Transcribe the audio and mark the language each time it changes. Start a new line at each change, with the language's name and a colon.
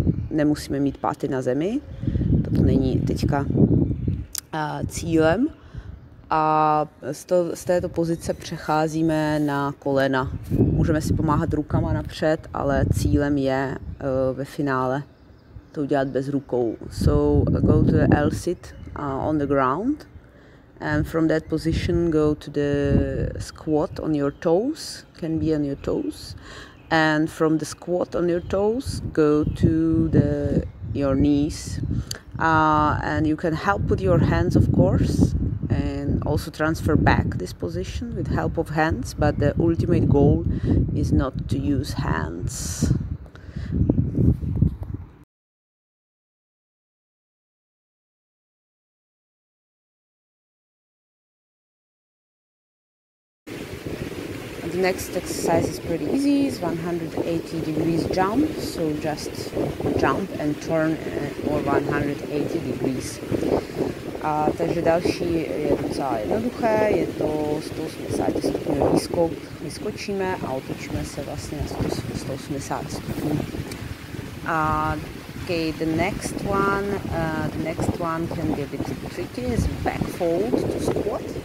Czech: nemusíme mít páty na zemi, toto není teďka cílem, a z této pozice přecházíme na kolena. Můžeme si pomáhat rukama napřed, ale cílem je ve finále to udělat bez rukou.
English: So go to the L-sit on the ground and from that position go to the squat on your toes, can be on your toes, and from the squat on your toes go to the your knees, and you can help with your hands of course. And also transfer back this position with help of hands, but the ultimate goal is not to use hands. Z Next exercise is pretty easy. It's 180 degrees jump. So just jump and turn or 180 degrees.
Czech: A takže další je docela jednoduché, je to 180 stupňů výskok. Vyskočíme a otočíme se vlastně na 180 stupňů.
English: A okay, the next one can be a bit tricky, is back fold to squat.